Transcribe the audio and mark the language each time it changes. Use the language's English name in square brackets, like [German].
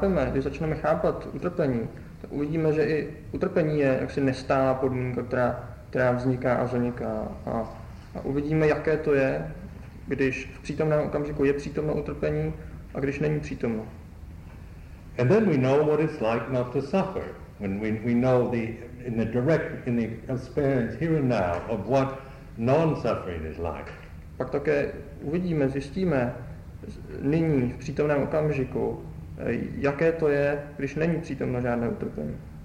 [Czech] Když začneme chápat utrpení, tak uvidíme, že i utrpení je jaksi nestálá podmínka, která vzniká a zaniká. A uvidíme, jaké to je, když v přítomném okamžiku je přítomno utrpení a když není přítomno. [English] And then we know what it's like not to suffer. When we know in the experience here and now of what non-suffering is like. [Czech] Pak také uvidíme, zjistíme nyní, v přítomném okamžiku, jaké to je, když není přítomno žádné utrpení.